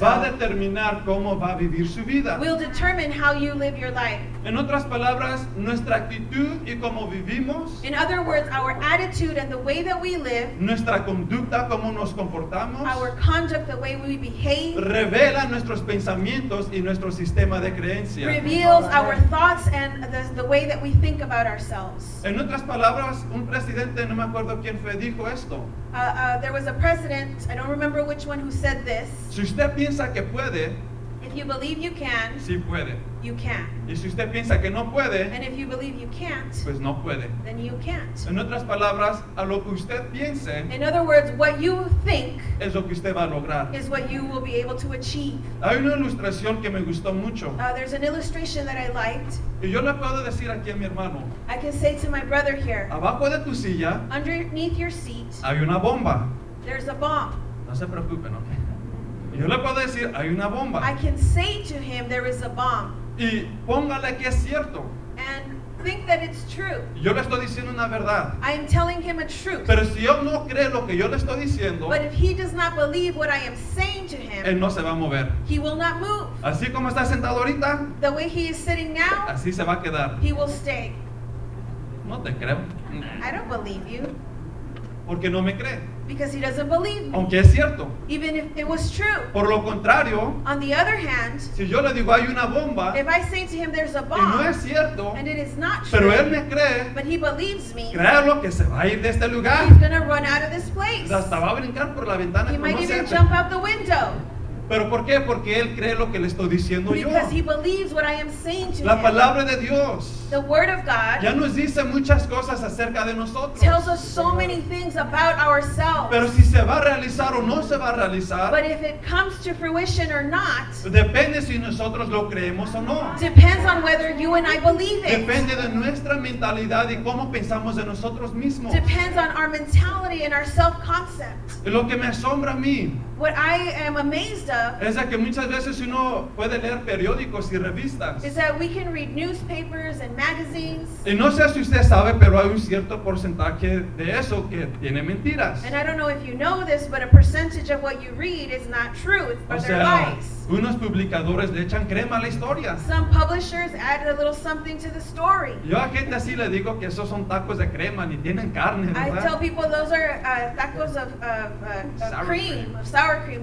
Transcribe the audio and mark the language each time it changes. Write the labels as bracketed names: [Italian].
[Spanish] va a determinar cómo va a vivir su vida, [English] will determine how you live your life. [Spanish] En otras palabras, nuestra actitud y cómo vivimos, [English] in other words, our attitude and the way that we live, [Spanish] nuestra conducta, cómo nos comportamos, [English] our conduct, the way we behave, [Spanish] revela nuestros pensamientos y nuestro sistema de creencias, [English] reveals our thoughts and the way that we think about ourselves. [Spanish] En otras palabras, un presidente, no me acuerdo quién fue, dijo esto. [English] There was a president, I don't remember which one, who said this. [Spanish] Si usted piensa que puede, [English] if you believe you can, [Spanish] sí puede. [English] You can. [Spanish] Y si usted piensa que no puede, [English] and if you believe you can't, [Spanish] pues no puede. [English] Then you can't. [Spanish] En otras palabras, a lo que usted piense, [English] in other words, what you think, [Spanish] es lo que usted va a lograr, [English] is what you will be able to achieve. [Spanish] Hay una ilustración que me gustó mucho. [English] There's an illustration that I liked. [Spanish] Y yo le puedo decir aquí a mi hermano, [English] I can say to my brother here, [Spanish] abajo de tu silla, [English] underneath your seat, [Spanish] hay una bomba. [English] There's a bomb. [Spanish] No se preocupen, okay. Yo le puedo decir, hay una bomba. [English] I can say to him, there is a bomb. [Spanish] Y póngale que es cierto. [English] And think that it's true. [Spanish] Yo le estoy diciendo una verdad. [English] I am telling him a truth. [Spanish] Pero si yo no cree lo que yo le estoy diciendo, [English] but if he does not believe what I am saying to him, [Spanish] él no se va a mover. [English] He will not move. [Spanish] Así como está sentado ahorita, [English] the way he is sitting now, [Spanish] así se va a quedar. [English] He will stay. [Spanish] No te creo. [English] I don't believe you. [Spanish] Porque no me cree. [English] Because he doesn't believe me. [Spanish] Aunque es cierto. [English] Even if it was true. [Spanish] Por lo contrario, [English] on the other hand, [Spanish] si yo le digo hay una bomba, [English] if I say to him there's a bomb, [Spanish] y no es cierto, [English] and it is not true, [Spanish] pero él me cree, [English] but he believes me, [Spanish] créalo que se va a ir de este lugar. [English] He's going to run out of this place. [Spanish] Hasta va a brincar por la ventana. [English] He might even jump out the window. [Spanish] Pero ¿por qué? Porque él cree lo que le estoy diciendo yo. [English] Because he believes what I am saying to him. [Spanish] La palabra de Dios, [English] the word of God, [Spanish] ya nos dice muchas cosas acerca de nosotros. [English] Tells us so many things about ourselves. [Spanish] Pero si se va a realizar o no se va a realizar, [English] but if it comes to fruition or not, [Spanish] depende si nosotros lo creemos o no. [English] Depends on whether you and I believe it. [Spanish] Depende de nuestra mentalidad y cómo pensamos de nosotros mismos. [English] Depends on our mentality and our self-concept. [Spanish] Lo que me asombra a mí, [English] what I am amazed of, [Spanish] es que muchas veces uno puede leer periódicos y revistas, [English] is that we can read newspapers and magazines. [Spanish] Y no sé si usted sabe, pero hay un cierto porcentaje de eso que tiene mentiras. [English] And I don't know if you know this, but a percentage of what you read is not true, but [Spanish] o [English] they're [Spanish] sea, [English] lies. [Spanish] Unos publicadores le echan crema a la historia. [English] Some publishers add a little something to the story. [Spanish] Yo a gente así le digo que esos son tacos de crema, ni tienen carne, ¿verdad? [English] I tell people those are tacos of sour cream.